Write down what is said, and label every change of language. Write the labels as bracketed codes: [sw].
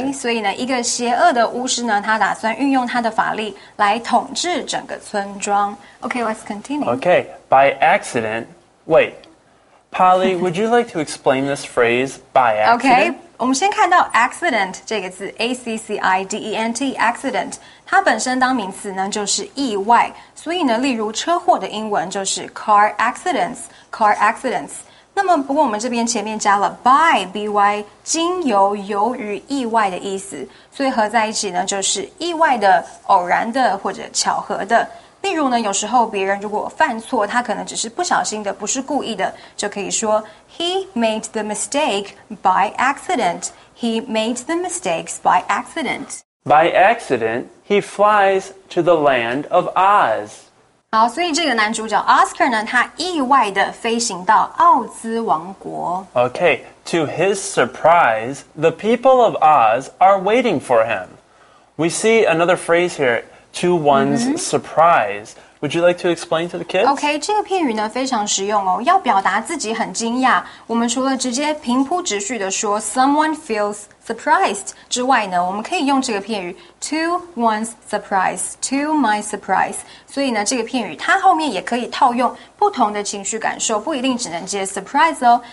[zh] Okay, 所以呢，一个邪恶的巫师呢，他打算运用他的法力来统治整个村庄。 [en] Okay, let's continue. Okay. By accident, wait, Polly, would you like to explain this phrase, by accident? [zh] Okay, 我们先看到 accident 这个字 ,A-C-C-I-D-E-N-T, accident. 它本身当名词呢就是意外。所以呢例如车祸的英文就是 car accidents, car accidents. 那么不过我们这边前面加了 by, B-Y, 经由由于意外的意思。所以合在一起呢就是意外的偶然的或者巧合的。例如呢，有时候别人如果犯错，他可能只是不小心的，不是故意的，就可以说 [en] He made the mistake by accident. He made the mistakes by accident. By accident, he flies to the land of Oz. [zh] 好，所以这个男主角 Oscar 呢，他意外的飞行到奥兹王国。 [en] Okay, to his surprise, the people of Oz are waiting for him. We see another phrase here. To one's surprise. Would you like to explain to the kids? [zh] Okay, 这个片语呢非常实用哦，要表达自己很惊讶。我们除了直接平铺直叙的说 [en] someone feels surprised [zh] 之外呢，我们可以用这个片语 [en] to one's surprise, to my surprise. [zh] 所以呢，这个片语它后面也可以套用不同的情绪感受，不一定只能接 surprise 哦。